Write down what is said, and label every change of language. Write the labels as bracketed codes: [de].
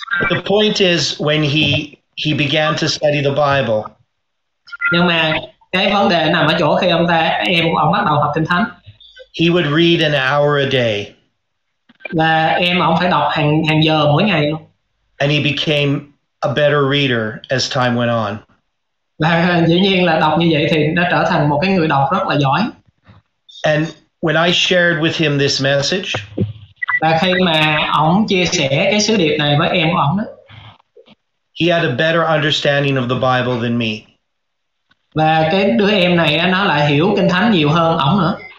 [en] The point is when he began to study the Bible. [vi] Nhưng mà cái vấn đề nằm ở chỗ khi ông bắt đầu học Kinh Thánh. [en] He would read an hour a day. [vi] Là em ổng phải đọc hàng giờ mỗi ngày luôn. [en] And he became a better reader as time went on. [vi] Và dĩ nhiên là đọc như vậy thì đã trở thành một cái người đọc rất là giỏi. [en] And when I shared with him this message, [vi] và khi mà ông chia sẻ cái sứ điệp này với em ông đó, [en] he had a better understanding of the Bible than me. [vi] Và cái đứa em này nó lại hiểu Kinh Thánh nhiều hơn ông nữa.